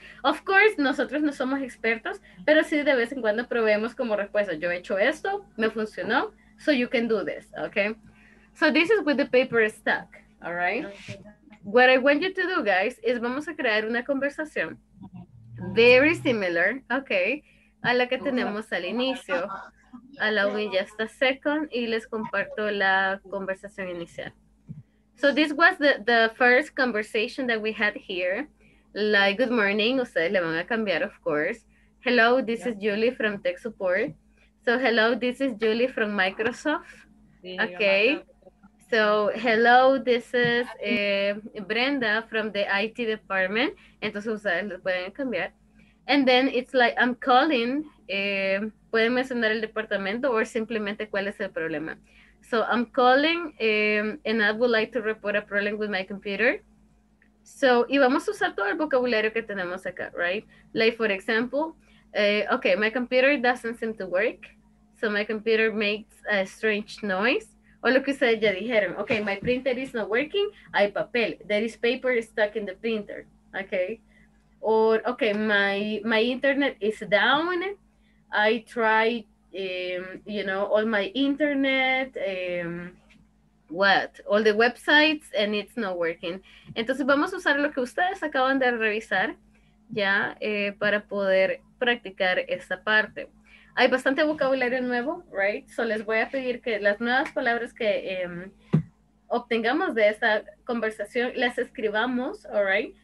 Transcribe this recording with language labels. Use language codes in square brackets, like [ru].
[es] Of course, nosotros no somos expertos, pero sí de vez en cuando probemos como respuesta. Yo he hecho esto, me funcionó, [en] so you can do this, [es] okay? [en] So this is with the paper stack, all right? What I want you to do, guys, is [es] vamos a crear una conversación [en] very similar, okay, [es] a la que tenemos al inicio. [en] Allow me just a second [es] y les comparto la conversación inicial. [en] So this was the first conversation that we had here. Like, good morning, [es] ustedes le van a cambiar, [en] of course. Hello, this is Julie from Tech Support. So hello, this is Julie from Microsoft. Okay. So hello, this is Brenda from the IT department. [es] Entonces ustedes le pueden cambiar. [en] And then it's like, I'm calling. [es] Pueden mencionar el departamento o simplemente cuál es el problema. [en] So I'm calling and I would like to report a problem with my computer. [es] So, y vamos a usar todo el vocabulario que tenemos acá, right? [en] Like, for example, okay, my computer doesn't seem to work. So my computer makes a strange noise. [es] O lo que ustedes ya dijeron. [en] Okay, my printer is not working. [es] Hay papel. [en] There is paper stuck in the printer. Okay. Or, okay, my internet is down. I try, you know, all my internet, all the websites, and it's not working. [es] Entonces vamos a usar lo que ustedes acaban de revisar, ya, para poder practicar esta parte. Hay bastante vocabulario nuevo, right? So les voy a pedir que las nuevas palabras que obtengamos de esta conversación las escribamos, all right?